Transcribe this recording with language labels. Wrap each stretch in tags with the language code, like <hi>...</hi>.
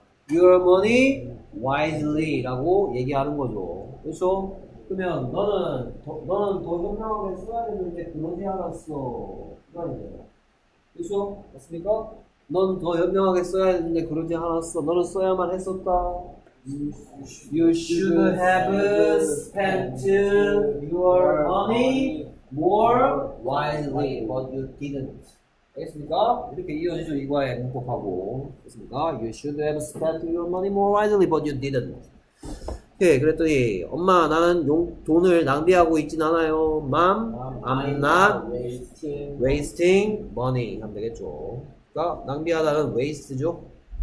<en>your money wisely</en> <ko>라고 얘기하는 거죠. 그렇죠? 그러면 너는 더 현명하게 써야 되는데 그러지 않았어. 그렇죠? 맞습니까? 넌 더 현명하게 써야 되는데 그러지 않았어. 너는 써야만 했었다.</ko> <en>You should have spent your money more wisely, but you didn't.</en> <ko>알겠습니까? 이렇게 이어지죠, 이과의 문법하고. 알겠습니까?</ko> <en>You should have spent your money more wisely, but you didn't.</en> <ko>오케이, 그랬더니 엄마, 나는 돈을 낭비하고 있진 않아요.</ko> <en>Mom, I'm not wasting money.</en> <ko>하면 되겠죠. 그러니까 낭비하다는 waste죠.</ko>